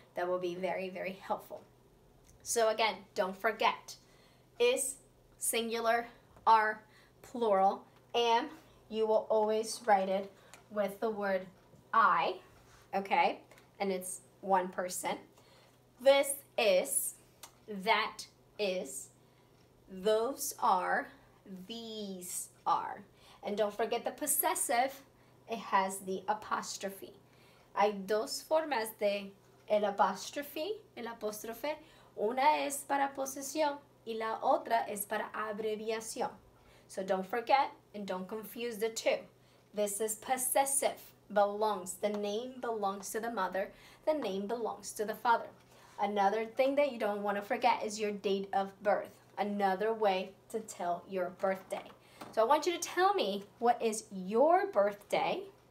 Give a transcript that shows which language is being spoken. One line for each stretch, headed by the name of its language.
English: That will be very, very helpful. So again, don't forget, is singular, are plural, am, you will always write it with the word I, okay? And it's one person. This is, that is, those are, these are. And don't forget the possessive, it has the apostrophe.
Spanish: Hay dos formas de el apostrophe, el apóstrofe. Una es para posesión y la otra es para abreviación.
English: So don't forget and don't confuse the two. This is possessive, belongs. The name belongs to the mother. The name belongs to the father. Another thing that you don't want to forget is your date of birth. Another way to tell your birthday. So I want you to tell me what is your birthday.